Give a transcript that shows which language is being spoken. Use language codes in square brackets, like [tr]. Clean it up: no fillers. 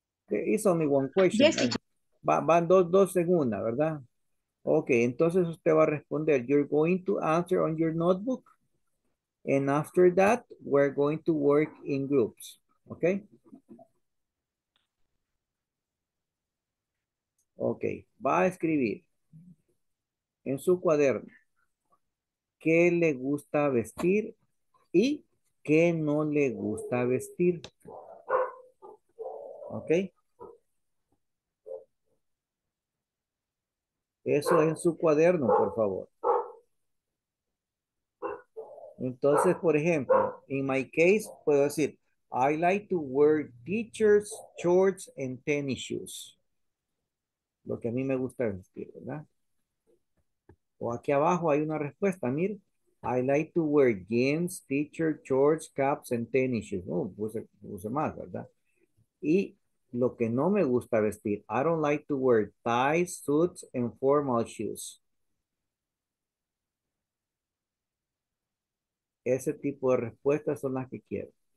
[en] It's only one question. Yes, teacher. [es] Van dos en una, ¿verdad? Okay, entonces usted va a responder. [en] You're going to answer on your notebook. And after that, we're going to work in groups. Okay? [es] Okay, va a escribir en su cuaderno qué le gusta vestir y qué no le gusta vestir. Okay? Eso en su cuaderno, por favor. Entonces, por ejemplo, [en] in my case, [es] puedo decir, [en] I like to wear t-shirts, shorts, and tennis shoes. [es] Lo que a mí me gusta vestir, ¿verdad? O aquí abajo hay una respuesta, mire. [en] I like to wear jeans, t-shirts, shorts, caps, and tennis shoes. [es] Oh, puse más, ¿verdad? Y lo que no me gusta vestir, [en] I don't like to wear ties, suits, and formal shoes. [es] Ese tipo de respuestas son las que quiero.